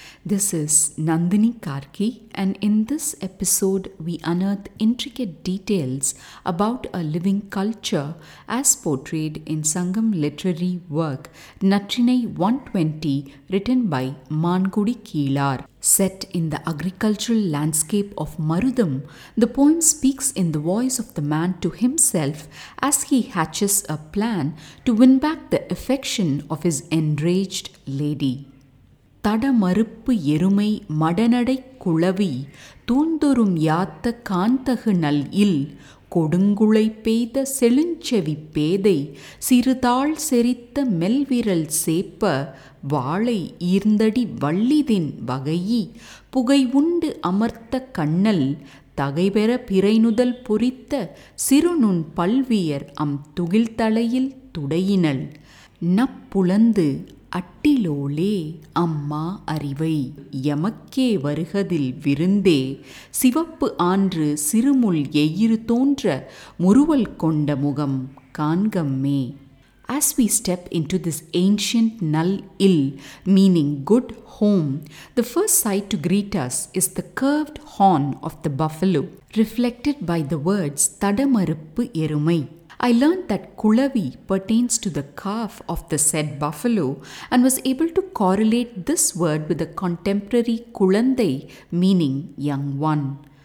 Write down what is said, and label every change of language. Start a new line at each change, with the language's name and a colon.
English: This is Nandini Karki, and in this episode we unearth intricate details about a living culture as portrayed in Sangam literary work Natrinai 120, written by Maankudi Kilaar. Set in the agricultural landscape of Marutham, the poem speaks in the voice of the man to himself as he hatches a plan to win back the affection of his enraged lady.
Tamil: தடமறுப்பு எருமை மடநடை குளவி தூந்தொரும் யாத்த காந்தகு நல் இல் கொடுங்குளை பெய்த செழுஞ்செவி பேதை சிறுதாள் செரித்த மெல்விரல் சேப்ப வாழை ஈர்ந்தடி வள்ளிதின் வகையி புகை உண்டு அமர்த்த கண்ணல் தகைபெற பிறைநுதல் புரித்த சிறுநுண் பல்வியர் அம் துகில் தலையில் துடையினல் நப்புலந்து அட்டிலோளே அம்மா அறிவை எமக்கே வருகதில் விருந்தே சிவப்பு ஆன்று சிறுமுள் எயிறு தோன்ற முறுவல் கொண்ட முகம் காண்கம்மே.
English: As we step into this ancient null ill, meaning good home, the first sight to greet us is the curved horn of the buffalo, reflected by the words
Tamil: தடமறுப்பு எருமை.
English: I learned that kulavi pertains to the calf of the said buffalo and was able to correlate this word with a contemporary kulandai, meaning young one.